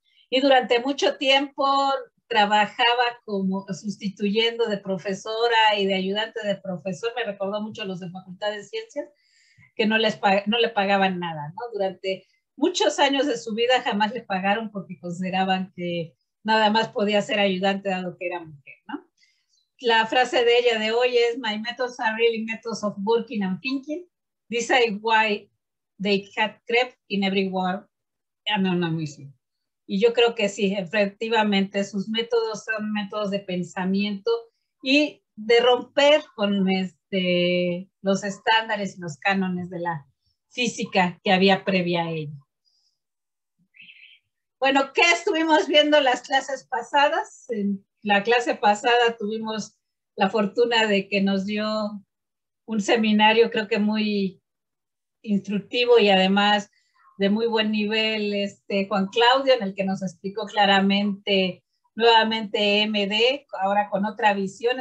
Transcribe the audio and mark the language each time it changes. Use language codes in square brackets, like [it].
[es] Y durante mucho tiempo trabajaba como sustituyendo de profesora y de ayudante de profesor. Me recordó mucho a los de Facultad de Ciencias, que no le pagaban nada, ¿no? Durante muchos años de su vida jamás le pagaron porque consideraban que nada más podía ser ayudante dado que era mujer, ¿no? La frase de ella de hoy es, [en] "My methods are really methods of working and thinking. This is why they had crept in every world anonymously." [es] Y yo creo que sí, efectivamente, sus métodos son métodos de pensamiento y de romper con los estándares y los cánones de la física que había previa a ello. Bueno, ¿qué estuvimos viendo las clases pasadas? En la clase pasada tuvimos la fortuna de que nos dio un seminario, creo que muy instructivo y además de muy buen nivel, Juan Claudio, en el que nos explicó claramente nuevamente MD, ahora con otra visión.